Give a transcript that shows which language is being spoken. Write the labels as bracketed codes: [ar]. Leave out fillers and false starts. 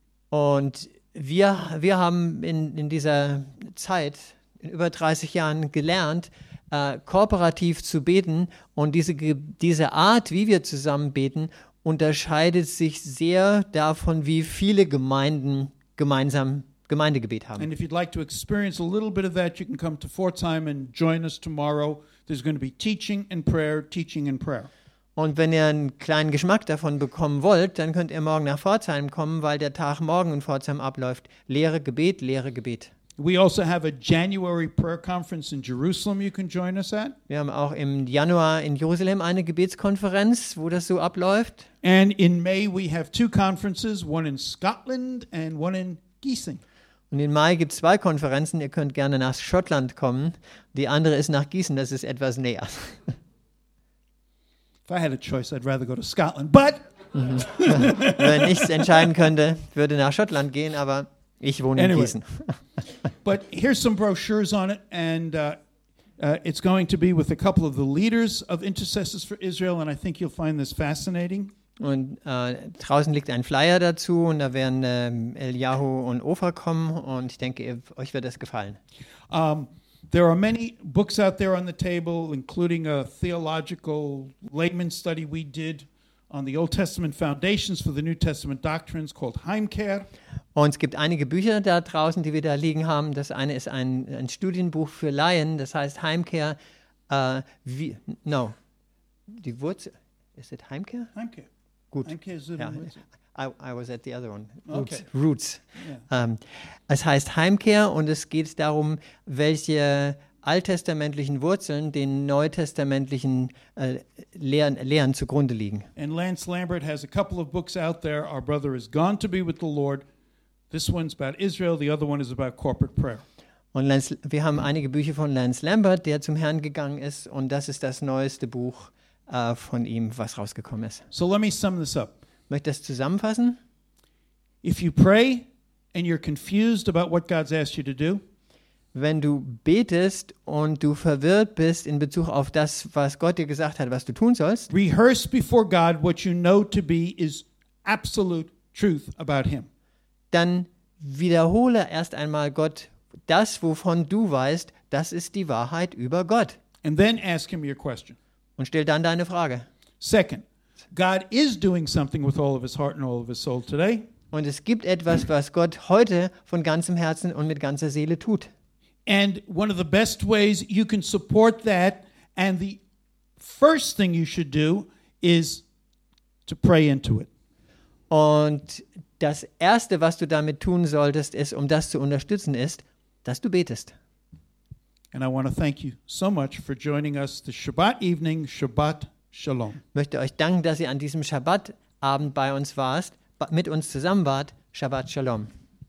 [de] Und wir haben in dieser Zeit in über 30 Jahren gelernt, kooperativ zu beten, und diese Art, wie wir zusammen beten, unterscheidet sich sehr davon, wie viele Gemeinden gemeinsam Gemeindegebet haben. [en] And if you'd like to experience a little bit of that, you can come to Pforzheim and join us tomorrow. There's going to be teaching and prayer, teaching and prayer. [de] Und wenn ihr einen kleinen Geschmack davon bekommen wollt, dann könnt ihr morgen nach Pforzheim kommen, weil der Tag morgen in Pforzheim abläuft. Lehre, Gebet, Lehre, Gebet. [en] We also have a January prayer conference in Jerusalem you can join us at. [de] Wir haben auch im Januar in Jerusalem eine Gebetskonferenz, wo das so abläuft. [en] And in May we have two conferences, one in Scotland and one in Gießen. [de] Und im Mai gibt's zwei Konferenzen, ihr könnt gerne nach Schottland kommen. Die andere ist nach Gießen, das ist etwas näher. [en] If I had a choice, I'd rather go to Scotland, but [de] wenn ich's entscheiden könnte, würde nach Schottland gehen, aber ich wohne in Gießen. [en] But here's some brochures on it, and it's going to be with a couple of the leaders of Intercessors for Israel, and I think you'll find this fascinating. [de] Und draußen liegt ein Flyer dazu, und da werden Eliyahu und Ofer kommen, und ich denke, euch wird das gefallen. [en] There are many books out there on the table, including a theological layman study we did on the Old Testament foundations for the New Testament doctrines called Heimkehr. [de] Und es gibt einige Bücher da draußen, die wir da liegen haben. Das eine ist ein Studienbuch für Laien, das heißt Heimkehr. Die Wurzel, ist es Heimkehr? Heimkehr. Gut. Heimkehr ist ja, [en] I was at the other one. Roots. Okay. Roots. Yeah. [de] Es heißt Heimkehr, und es geht darum, welche alttestamentlichen Wurzeln den neutestamentlichen Lehren zugrunde liegen. [en] And Lance Lambert has a couple of books out there. Our brother is gone to be with the Lord. This one's about Israel, the other one is about corporate prayer. [de] Und wir haben einige Bücher von Lance Lambert, der zum Herrn gegangen ist, und das ist das neueste Buch von ihm, was rausgekommen ist. [en] So let me sum this up. [de] Möchte das zusammenfassen? [en] If you pray and you're confused about what God's asked you to do, [de] wenn du betest und du verwirrt bist in Bezug auf das, was Gott dir gesagt hat, was du tun sollst, [en] rehearse before God what you know to be is absolute truth about him. [de] Dann wiederhole erst einmal Gott das, wovon du weißt, das ist die Wahrheit über Gott. [en] And then ask him your question. [de] Und stell dann deine Frage. [en] Second, God is doing something with all of his heart and all of his soul today. [de] Und es gibt etwas, was Gott heute von ganzem Herzen und mit ganzer Seele tut. [en] And one of the best ways you can support that, and the first thing you should do, is to pray into it. [de] Und das Erste, was du damit tun solltest, ist, um das zu unterstützen, ist, dass du betest. [en] And I want to thank you so much for joining us this Shabbat evening, Shabbat Shalom. [de] Möchte euch danken, dass ihr an diesem Shabbat Abend bei uns warst, mit uns zusammen wart, Shabbat Shalom.